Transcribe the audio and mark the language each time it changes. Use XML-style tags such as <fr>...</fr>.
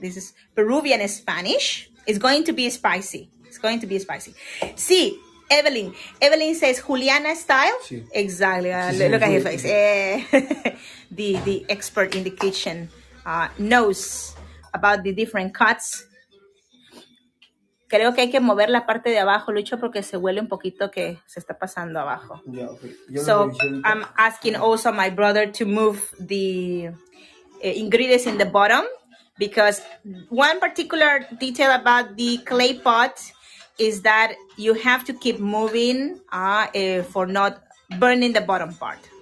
<en>This is Peruvian Spanish. It's going to be spicy.</en> <es>Sí,</es> <en>Evelyn. Evelyn says Juliana style.</en> <es>Sí.</es> <en>Exactly. Look at her face. The expert in the kitchen knows about the different cuts.</en> <es>Creo que hay que mover la parte de abajo, Lucho, porque se huele un poquito que se está pasando abajo.</es> <en>Yeah, okay. So I'm asking also my brother to move the ingredients in the bottom, because one particular detail about the clay pot is that you have to keep moving for not burning the bottom part.</en>